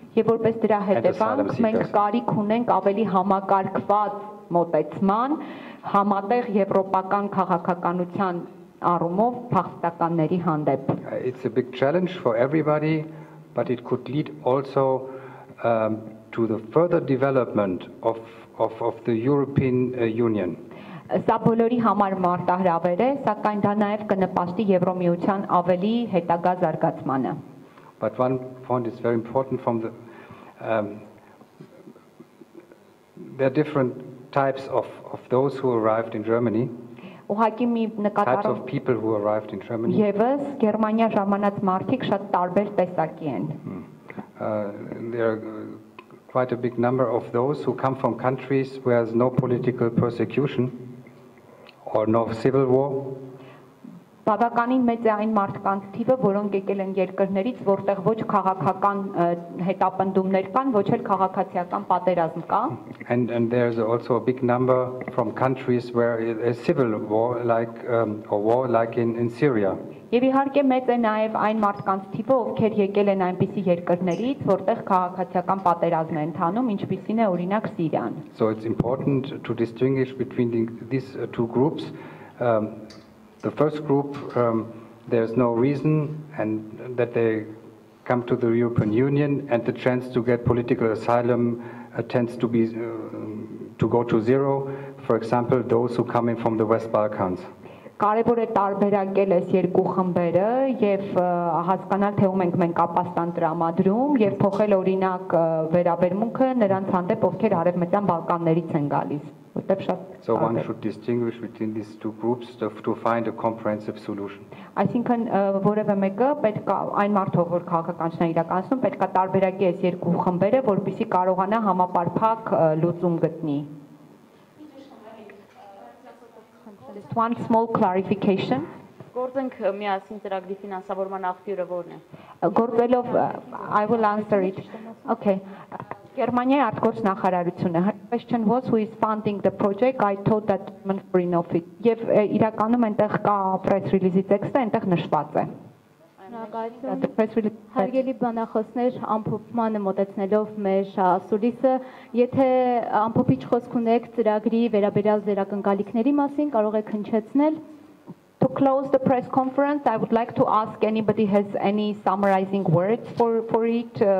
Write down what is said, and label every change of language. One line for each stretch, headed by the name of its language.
Armenian: Եվ որպես դրա հետևանք մենք կարիք ունենք ավելի համակարգված մոտեցման համատեղ եվրոպական քաղաքականության առումով փախստականների հանդեպ.
English: It's a big challenge for everybody, but it could lead also to the further development of the European Union.
Armenian: Սա բոլորի համար մարտահրավեր է, սակայն դա նաև կնպաստի Եվրոմիության ավելի հետագա զարգացմանը։
English: But one point is very important from the there are different types of those who arrived in Germany.
Armenian: Ուղղակի մի նկատառում
English: Types of people who arrived in Germany.
Armenian: Եվս Գերմանիա ժամանած մարդիկ շատ տարբեր տեսակի են։
English: There are quite a big number of those who come from countries where there's no political persecution. Or no civil war.
Armenian: Բավականին մեծ է այն մարդկանց թիվը, որոնք եկել են երկրներից, որտեղ ոչ քաղաքական հետապնդումներ կան, ոչ էլ քաղաքացիական պատերազմ կա.
English: And there is also a big number from countries where a civil war like a war like in Syria.
Armenian: Եվ իհարկե մեծ է նաև այն մարդկանց թիվը, ովքեր եկել են այնպիսի երկրներից, որտեղ քաղաքացիական պատերազմ է ընթանում, ինչպիսին է օրինակ Սիրիան։
English: So it's important to distinguish between these two groups. The first group there's no reason and that they come to the European Union and the chance to get political asylum tends to be to go to zero, for example, those who come in from the West Balkans.
Armenian: Կարևոր է տարբերակել այս երկու խմբերը եւ հասկանալ թե ու մենք մենք ապաստան դրամադրում եւ փոխել օրինակ վերաբերմունքը նրանց հանդեպ, ովքեր արևմտյան Բալկաններից են գալիս, որտեղ շատ
English: So one should distinguish between these two groups to find a comprehensive solution.
Armenian: Այսինքն որևէ մեկը պետք է այն մարդով, որ քաղաքականության իրականացնում, պետք է տարբերակի այս երկու խմբերը, որպեսզի կարողանա համապարփակ լուծում գտնի։
English: Just one small clarification.
Armenian: Գործենք միասին ծրագրի ֆինանսավորման աղբյուրը ո՞րն է։ Գործելով
English: I will answer it. Okay.
Armenian: Գերմանիայի արտգործ նախարարությունը
English: question was who is funding the project. I thought that German Foreign Office.
Armenian: Եվ իրականում այնտեղ կա press release-ի տեքստը, այնտեղ նշված է։ Հարգելի բանախոսներ, ամփոփմանը մոտեցնելով մեր ասուլիսը, եթե ամփոփիչ խոսք ունեք ծրագրի վերաբերյալ ձեր ակնկալիքների մասին, կարող եք հնչեցնել.
English: To close the press conference, I would like to ask anybody has any summarizing words for it.